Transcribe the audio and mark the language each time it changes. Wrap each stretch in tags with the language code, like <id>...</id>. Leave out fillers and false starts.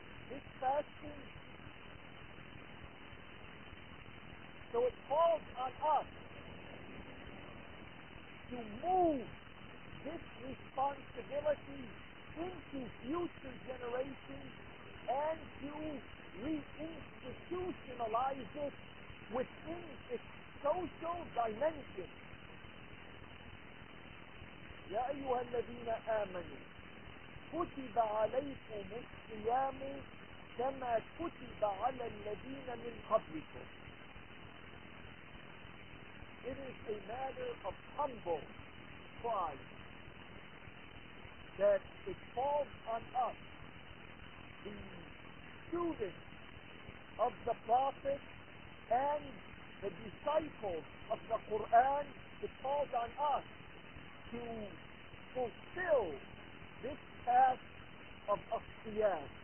<en>This fasting, so it calls on us to move this responsibility into future generations and to reinstitutionalize it within its social dimension.</en> <ar>يا أيها الذين آمنوا كتب عليكم الصيام كما كتب على الذين من قبلكم.</ar> <en>It is a matter of humble pride that it falls on us, the students of the Prophet and the disciples of the Quran, it falls on us to fulfill this task of Qiyam.</en>